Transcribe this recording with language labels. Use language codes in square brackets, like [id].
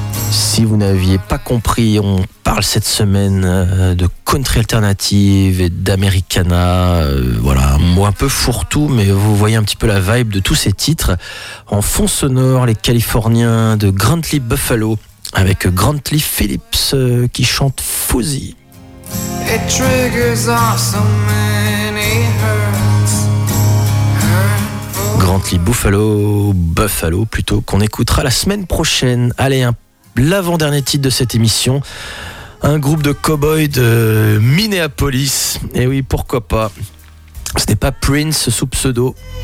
[fr] Si vous n'aviez pas compris, on parle cette semaine de country alternative et d'Americana. Voilà, un mot un peu fourre-tout, mais vous voyez un petit peu la vibe de tous ces titres. En fond sonore, les Californiens de Grantley Buffalo avec Grantley Phillips qui chante Fuzzy. [en] It triggers off so many hurts. [fr] Grantley Buffalo, Buffalo plutôt, qu'on écoutera la semaine prochaine. Allez, un l'avant-dernier titre de cette émission, un groupe de cow-boys de Minneapolis. Et oui, pourquoi pas. Ce n'est pas Prince sous pseudo.